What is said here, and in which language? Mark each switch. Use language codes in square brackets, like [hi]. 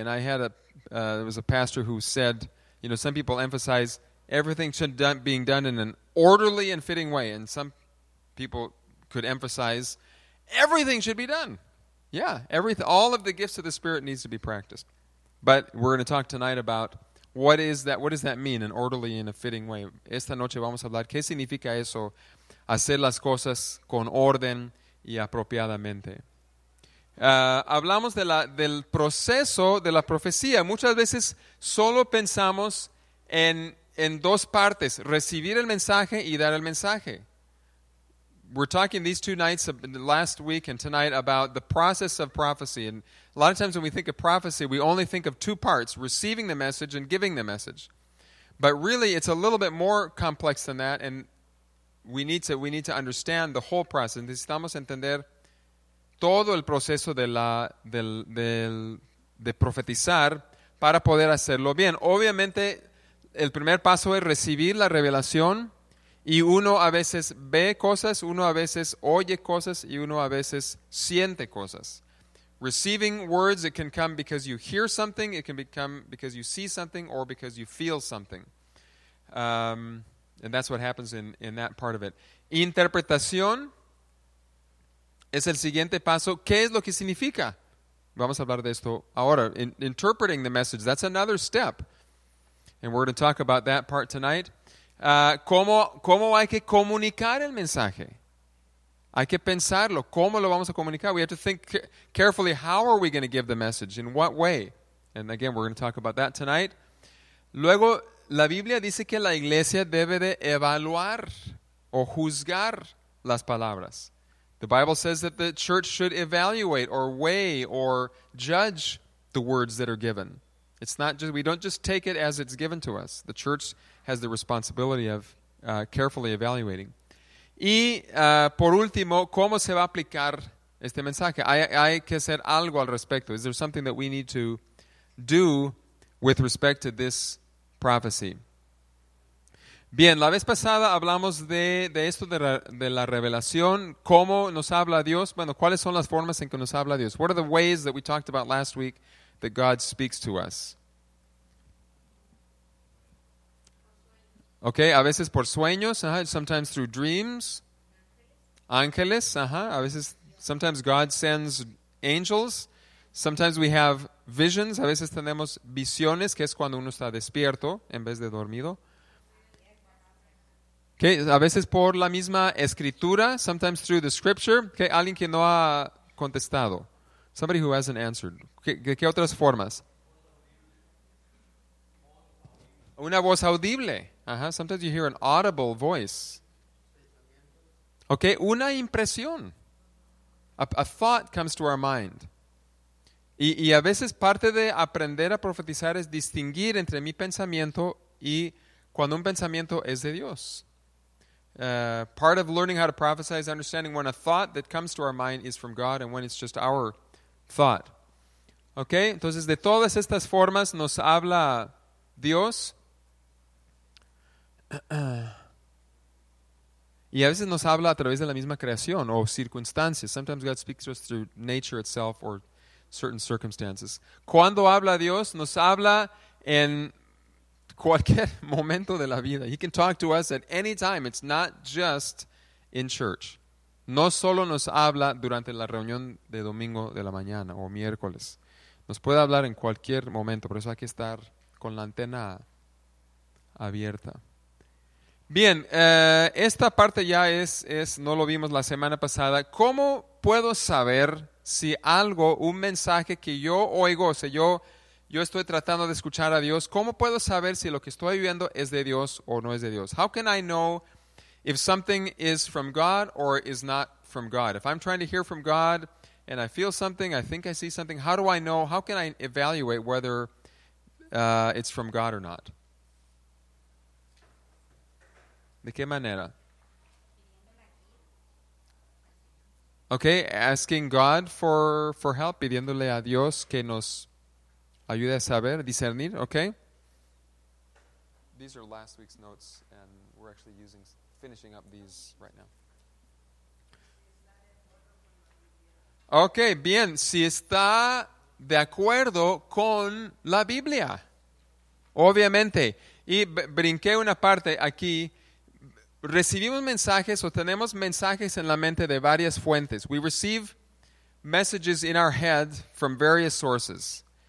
[en] And I had a pastor who said, some people emphasize everything should being done in an orderly and fitting way. And some people could emphasize everything should be done. Yeah, all of the gifts of the Spirit needs to be practiced. But we're going to talk tonight about what does that mean, an orderly and a fitting way. [es] Esta noche vamos a hablar, ¿qué significa eso? Hacer las cosas con orden y apropiadamente. Hablamos del proceso de la profecía. Muchas veces solo pensamos en dos partes, recibir el mensaje y dar el mensaje. [en] We're talking these two nights, last week and tonight, about the process of prophecy. And a lot of times when we think of prophecy, we only think of two parts, receiving the message and giving the message. But really, it's a little bit more complex than that, and we need to understand the whole process. [es] Necesitamos entender todo el proceso de profetizar para poder hacerlo bien. Obviamente, el primer paso es recibir la revelación. Y uno a veces ve cosas, uno a veces oye cosas y uno a veces siente cosas. [en] Receiving words, it can come because you hear something, it can come because you see something, or because you feel something. And that's what happens in that part of it. [es] Interpretación es el siguiente paso. ¿Qué es lo que significa? Vamos a hablar de esto ahora. [en] Interpreting the message, that's another step. And we're going to talk about that part tonight. [es] ¿Cómo hay que comunicar el mensaje? Hay que pensarlo. ¿Cómo lo vamos a comunicar? [en] We have to think carefully. How are we going to give the message? In what way? And again, we're going to talk about that tonight. [es] Luego, la Biblia dice que la iglesia debe de evaluar o juzgar las palabras. [en] The Bible says that the church should evaluate or weigh or judge the words that are given. It's not just, we don't just take it as it's given to us. The church has the responsibility of carefully evaluating. [es] Y por último, ¿cómo se va a aplicar este mensaje? Hay que hacer algo al respecto. [en] Is there something that we need to do with respect to this prophecy? [es] Bien, la vez pasada hablamos de esto de la revelación. ¿Cómo nos habla Dios? Bueno, ¿cuáles son las formas en que nos habla Dios? [en] What are the ways that we talked about last week that God speaks to us? [es] Okay, a veces por sueños, [en] sometimes through dreams. [es] Ángeles, a veces, [en] sometimes God sends angels. Sometimes we have visions, [es] a veces tenemos visiones, que es cuando uno está despierto en vez de dormido. Okay, a veces por la misma escritura, [en] sometimes through the scripture. [es] Okay, alguien que no ha contestado. [en] Somebody who hasn't answered. [es] ¿De qué otras formas? Una voz audible. [en] Sometimes you hear an audible voice. Okay, [es] una impresión. [en] A thought comes to our mind. [es] Y a veces parte de aprender a profetizar es distinguir entre mi pensamiento y cuando un pensamiento es de Dios. [en] Part of learning how to prophesy is understanding when a thought that comes to our mind is from God and when it's just our thought. [es] Okay, entonces de todas estas formas nos habla Dios. Y a veces nos habla a través de la misma creación o circunstancias. [en] Sometimes God speaks to us through nature itself or certain circumstances. [es] Cuando habla Dios, nos habla en cualquier momento de la vida. [en] He can talk to us at any time. It's not just in church. [es] No solo nos habla durante la reunión de domingo de la mañana o miércoles. Nos puede hablar en cualquier momento. Por eso hay que estar con la antena abierta. Bien, esta parte ya es, no lo vimos la semana pasada. ¿Cómo puedo saber si algo, un mensaje que yo oigo, o sea, yo estoy tratando de escuchar a Dios, cómo puedo saber si lo que estoy viviendo es de Dios o no es de Dios? [en] How can I know if something is from God or is not from God? If I'm trying to hear from God and I feel something, I think I see something, how do I know, how can I evaluate whether it's from God or not? [es] ¿De qué manera? Okay, [en] asking God for help, [es] pidiéndole a Dios que nos ayude a saber, discernir, okay? [en] These are last week's notes, and we're actually finishing up these right now. [es] Okay, bien, si está de acuerdo con la Biblia, obviamente. Y brinqué una parte aquí. Recibimos mensajes o tenemos mensajes en la mente de varias fuentes. [en] We receive messages in our head from various sources.